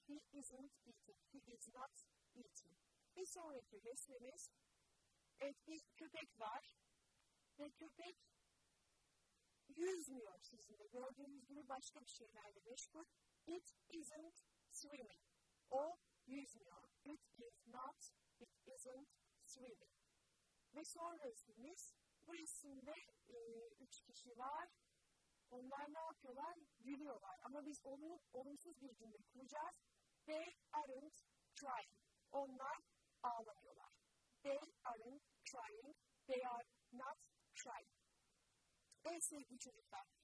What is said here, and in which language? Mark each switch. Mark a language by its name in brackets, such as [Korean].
[English] He isn't eating. He is not eating. [Turkish] Bir sonraki resmimiz. Evet, bir köpek var ve köpek yüzmüyor sizin de. Gördüğünüz gibi başka bir şeylerle meşgul. [English] It isn't swimming. [Turkish] O yüzmüyor. [English] It is not, it isn't swimming. [Turkish] Ve son resmimiz, bu resimde üç kişi var. Onlar ne yapıyorlar? Gülüyorlar. Ama biz olumsuz bir cümle kuracağız. [English] They aren't crying. [Turkish] Onlar ağlamıyorlar. [English] They aren't crying. They are not crying. [Turkish] En sevgili çocuklar.